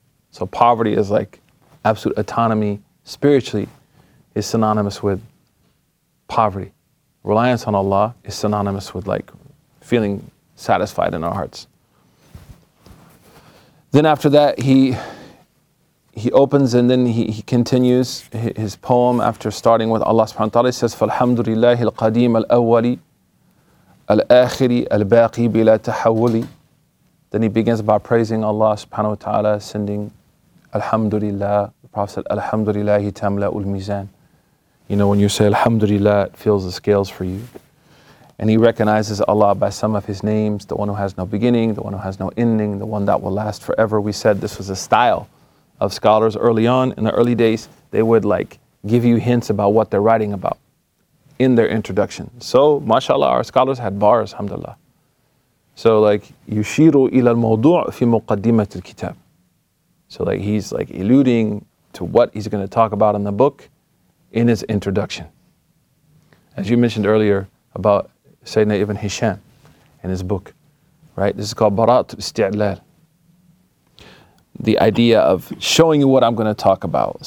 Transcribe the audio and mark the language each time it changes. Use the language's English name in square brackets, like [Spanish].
[English] So poverty is like absolute autonomy spiritually is synonymous with poverty. Reliance on Allah is synonymous with like feeling satisfied in our hearts. Then after that, he opens and then he continues his poem after starting with Allah subhanahu wa ta'ala. He says, [Arabic] فَالْحَمْدُ الْقَدِيمَ الْأَوَّلِ الْآخِرِ الْبَاقِي بِلَا تَحَوُّلِ. [English] Then he begins by praising Allah subhanahu wa ta'ala, sending Alhamdulillah. The Prophet said, [Arabic] Alhamdulillah tamla'u al-mizan. [English] You know, when you say Alhamdulillah, it fills the scales for you. And he recognizes Allah by some of his names, the one who has no beginning, the one who has no ending, the one that will last forever. We said this was a style of scholars early on. In the early days, they would like give you hints about what they're writing about in their introduction. So, mashallah, our scholars had bars, alhamdulillah. So like, [Arabic] يُشِيرُ إِلَى الْمَوْضُوعِ فِي مُقَدِّمَةِ الْكِتَابِ. [English] So like, he's like alluding to what he's going to talk about in the book in his introduction. As you mentioned earlier about Sayyidina Ibn Hisham in his book, right? This is called Barat Isti'lal. The idea of showing you what I'm going to talk about.